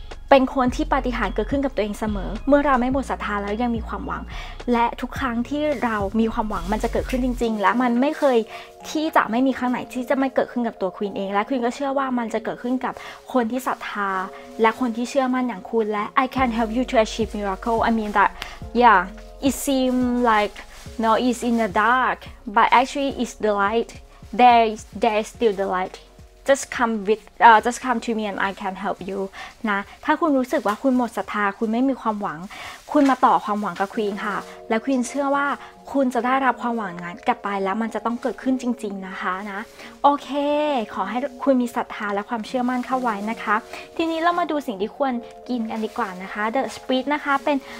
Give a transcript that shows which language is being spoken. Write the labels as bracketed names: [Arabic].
[Thai] เป็นคนที่ปาฏิหาริย์เกิดขึ้นกับตัวเองเสมอเมื่อเราไม่หมดศรัทธาแล้วยังมีความหวังและทุกครั้งที่เรามีความหวังมันจะเกิดขึ้นจริงๆและมันไม่เคยที่จะไม่มีครั้งไหนที่จะไม่เกิดขึ้นกับตัวควีนเองและควีนก็เชื่อว่ามันจะเกิดขึ้นกับคนที่ศรัทธาและคนที่เชื่อมั่นอย่างคุณและ [English] I can help you to achieve miracle I mean that yeah it seem likeNo, it's in the dark, but actually it's the light. There's still the light. Just come to me and I can help you. [Thai] นะถ้าคุณรู้สึกว่าคุณหมดศรัทธาคุณไม่มีความหวังคุณมาต่อความหวังกับควีนค่ะแล้วควีนเชื่อว่าคุณจะได้รับความหวังนั้นกลับไปแล้วมันจะต้องเกิดขึ้นจริงๆนะคะนะโอเคขอให้คุณมีศรัทธาและความเชื่อมั่นเข้าไว้นะคะทีนี้เรามาดูสิ่งที่ควรกินกันดีกว่านะคะ The Spritz นะคะเป็น